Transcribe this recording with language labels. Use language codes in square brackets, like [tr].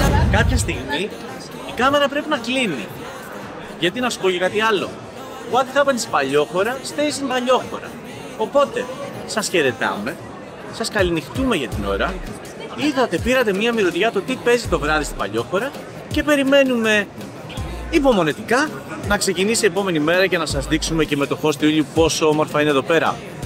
[el] Κάποια στιγμή η κάμερα πρέπει να κλείνει. Γιατί να σου πω κάτι άλλο. [en] What happens in Παλιόχώρα, stays in Παλιόχώρα. [el] Οπότε, σας χαιρετάμε, σας καληνυχτούμε για την ώρα, είδατε, πήρατε μία μυρωδιά το τι παίζει το βράδυ στην Παλιόχώρα και περιμένουμε υπομονετικά να ξεκινήσει η επόμενη μέρα και να σας δείξουμε και με το host του ήλιου πόσο όμορφα είναι εδώ πέρα.